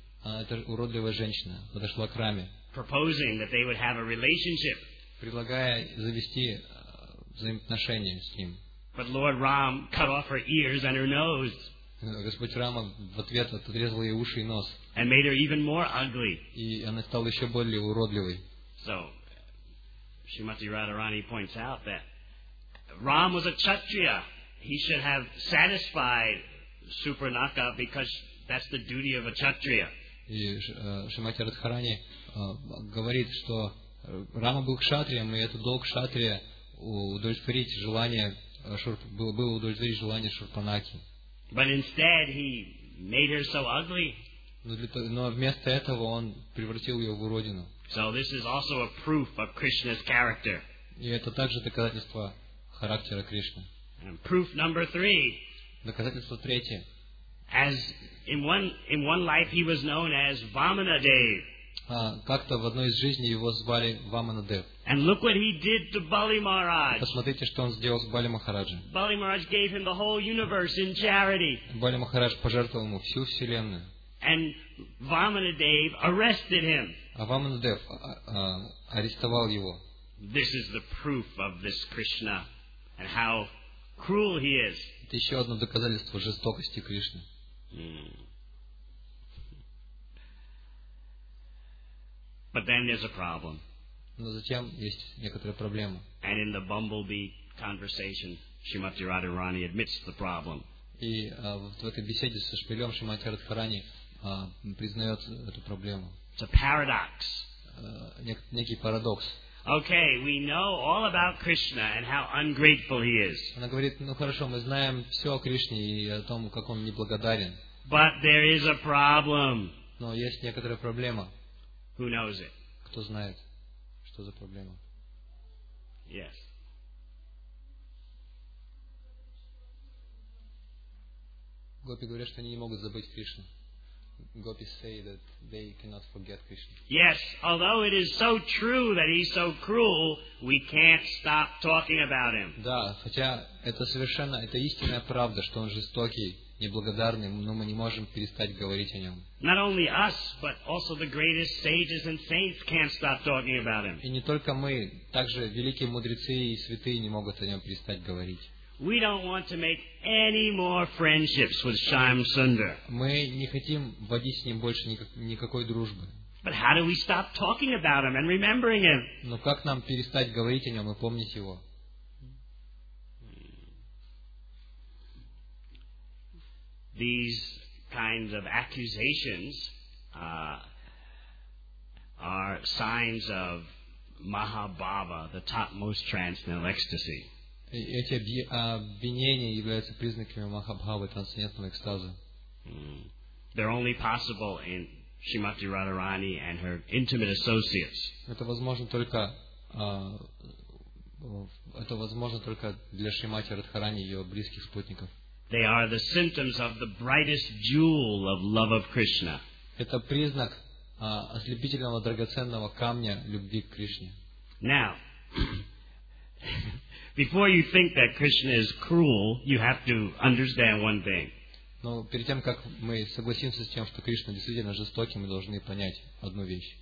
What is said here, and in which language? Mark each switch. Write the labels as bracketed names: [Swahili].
[Russian] Это уродливая женщина подошла к Раме. [English] Proposing that they would have a relationship. [Russian] Предлагая завести взаимоотношения с ним. [English] But Lord Ram cut off her ears and her nose. [Russian] Господь Рама в ответ отрезал ей уши и нос. [English] And made her even more ugly. [Russian] И она стала еще более уродливой. [English] So, Shrimati Radharani points out that Ram was a kshatriya. He should have satisfied Supranaka because that's the duty of a kshatriya. [Russian] И Шримати Радхарани говорит, что Рама был кшатрием, и это долг кшатрия удовлетворить желание было удовлетворить желание Шурпанаки. [English] But instead, he made her so ugly. [Russian] Но вместо этого он превратил ее в уродину. [English] So this is also a proof of Krishna's character. [Russian] И это также доказательство характера Кришны. [English] And proof number three. [Russian] Доказательство третье. [English] As in one life he was known as Vamanadev. [Russian] Как-то в одной из жизней его звали Ваманадев. [English] And look what he did to Bali Maharaj. [Russian] Посмотрите, что он сделал с Бали Махараджем. [English] Bali Maharaj gave him the whole universe in charity. [Russian] Бали Махарадж пожертвовал ему всю вселенную. [English] And Vamanadev arrested him. [Russian] А Ваманадев арестовал его. [English] This is the proof of this Krishna and how cruel he is. [Russian] Это еще одно доказательство жестокости Кришны. [English] But then there's a problem. [Russian] Но затем есть некоторая проблема. [English] And in the bumblebee conversation, Shrimati Radharani admits the problem. [Russian] И в этой беседе со шпилем Шримати Радхарани признает эту проблему. [English] It's a paradox. [Russian] Некий парадокс. [English] Okay, we know all about Krishna and how ungrateful he is. [Russian] Она говорит: ну хорошо, мы знаем все о Кришне и о том, как он неблагодарен. [English] But there is a problem. [Russian] Но есть некоторая проблема. [English] Who knows it? [Russian] Кто знает, что за проблема? [English] Yes. [Russian] Гопи говорят, что они не могут забыть Кришну. [English] Gopis say that they cannot forget Krishna. Yes, although it is so true that he's so cruel, we can't stop talking about him. [Russian] Да, хотя это совершенно, это истинная правда, что он жестокий, неблагодарный, но мы не можем перестать говорить о нем. [English] Not only us, but also the greatest sages and saints can't stop talking about him. [Russian] И не только мы, также великие мудрецы и святые не могут о нем перестать говорить. [English] We don't want to make any more friendships with Shyam Sundar. [Russian] Мы не хотим водить с ним больше никакой дружбы. [English] But how do we stop talking about him and remembering him? [Russian] Но как нам перестать говорить о нем и помнить его? [English] These kinds of accusations are signs of Mahabhava, the topmost transcendental ecstasy. [Russian] Эти обвинения являются признаками Махабхавы, трансцендентного экстаза. [English] They're only possible in Shrimati Radharani and her intimate associates. [Russian] Это возможно только для Шримати Радхарани и ее близких спутников. [English] They are the symptoms of the brightest jewel of love of Krishna. [Russian] Это признак ослепительного драгоценного камня любви к Кришне. [English] Now. Before you think that Krishna is cruel, you have to understand one thing. [Russian] Но перед тем, как мы согласимся с тем, что Кришна действительно жестокий, мы должны понять одну вещь.